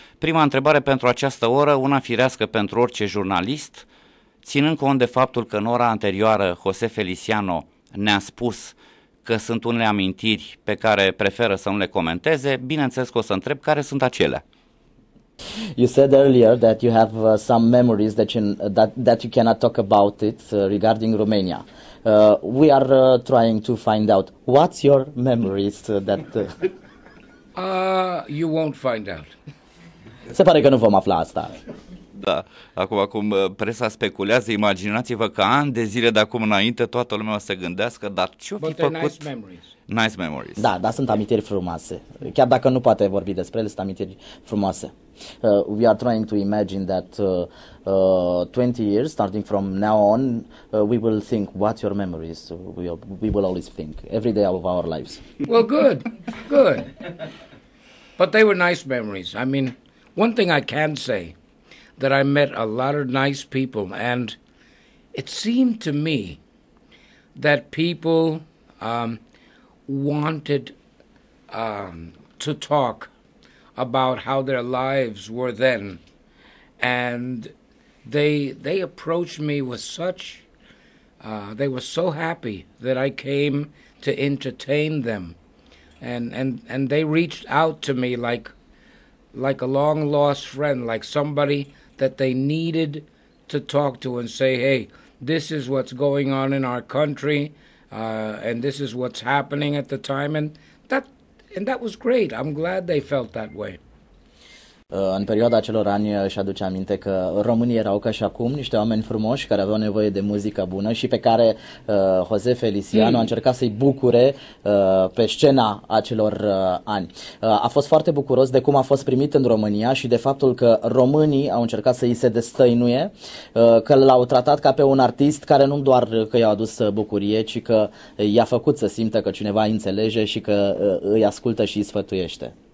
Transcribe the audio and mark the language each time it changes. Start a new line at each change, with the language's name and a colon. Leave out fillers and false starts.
Romanian: Prima întrebare pentru această oră, una firească pentru orice jurnalist, ținând cont de faptul că în ora anterioară José Feliciano ne-a spus că sunt unele amintiri pe care preferă să nu le comenteze, bineînțeles că o să întreb care sunt acelea.
English: You said earlier that you have some memories that you cannot talk about it regarding Romania. We are trying to find out what's your memories that. You won't find out.
Romanian: Se pare că nu vom afla asta. Da, acum presa speculează, imaginați-vă că ani de zile de acum înainte toată lumea o să gândească, dar ce-o fi făcut?
English: Nice memories. Nice memories.
Romanian: Da, dar sunt amintiri frumoase. Chiar dacă nu poate vorbi despre ele, sunt amintiri frumoase.
English: We are trying to imagine that 20 years, starting from now on, we will think, what's your memories? We will always think, every day of our lives. Well, good, good. But they were nice memories. I mean, one thing I can say, that I met a lot of nice people, and it seemed to me that people wanted to talk about how their lives were then, and they approached me with such, they were so happy that I came to entertain them, and they reached out to me like a long lost friend, like somebody that they needed to talk to and say, hey, this is what's going on in our country, and this is what's happening at the time, and that was great. I'm glad they felt that way.
Romanian: În perioada acelor ani își aduce aminte că românii erau ca și acum niște oameni frumoși care aveau nevoie de muzică bună și pe care José Feliciano a încercat să-i bucure pe scena acelor ani. A fost foarte bucuros de cum a fost primit în România și de faptul că românii au încercat să-i se destăinuie, că l-au tratat ca pe un artist care nu doar că i-a adus bucurie, ci că i-a făcut să simtă că cineva îi înțelege și că îi ascultă și îi sfătuiește.